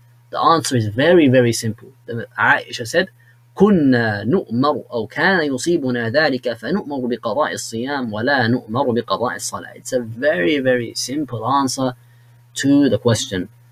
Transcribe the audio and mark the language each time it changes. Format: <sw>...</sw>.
<en>The answer is very, very simple.</en> <ar>Aisha said, كُنَّا نُؤْمَرُ أَوْ كَانَ يُصِيبُنَا ذَلِكَ فَنُؤْمَرُ بِقَضَاءِ الصِّيَامِ وَلَا نُؤْمَرُ بِقَضَاءِ الصَّلَاةِ.</ar> <en>It's a very, very simple answer to the question.</en>